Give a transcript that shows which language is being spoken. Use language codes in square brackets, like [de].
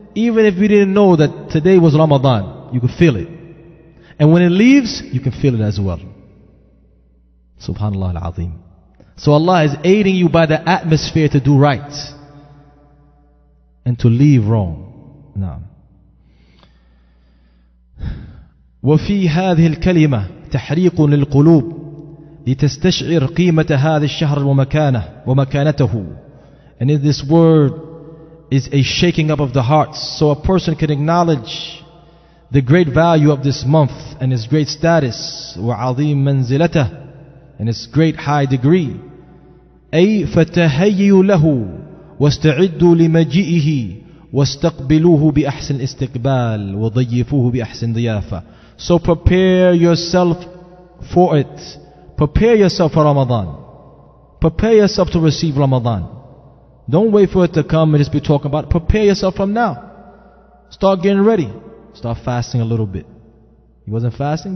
[en] Even if you didn't know that today was Ramadan, you can feel it. And when it leaves, you can feel it as well. Subhanallah al-Azim. So Allah is aiding you by the atmosphere to do right and to leave wrong. Naam. [ar] وفي هذه الكلمة تحريق للقلوب لتستشعر قيمة هذا الشهر ومكانه ومكانته. [en] And in this word is a shaking up of the hearts, so a person can acknowledge the great value of this month and its great status. [ar] وعظيم منزلته, [en] and its great high degree. [ar] أي فتهيئوا له واستعدوا لمجيئه واستقبلوه بأحسن استقبال وضيفوه بأحسن ضيافة. [en] So prepare yourself for it. Prepare yourself for Ramadan. Prepare yourself to receive Ramadan. Don't wait for it to come and just be talking about it. Prepare yourself from now. Start getting ready. Start fasting a little bit. You wasn't fasting?